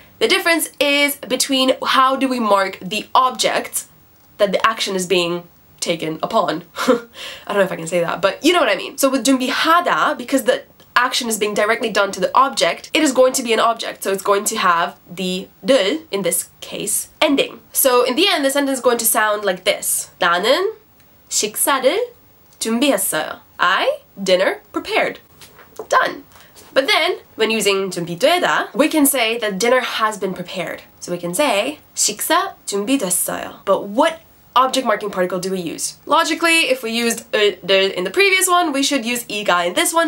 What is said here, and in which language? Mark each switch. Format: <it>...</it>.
<en>The difference is between how do we mark the object that the action is being taken upon. I don't know if I can say that, but you know what I mean. So with 준비하다, because the action is being directly done to the object, it is going to be an object. So it's going to have the 를, in this case, ending. So in the end, the sentence is going to sound like this.</en> <ko>나는 식사를 준비했어요.</ko> <en>I, dinner, prepared. Done. But then, when using 준비되다, we can say that dinner has been prepared. So we can say</en> <ko>식사 준비됐어요.</ko> <en>But what object marking particle do we use? Logically, if we used 을 in the previous one, we should use 이가 in this one.</en>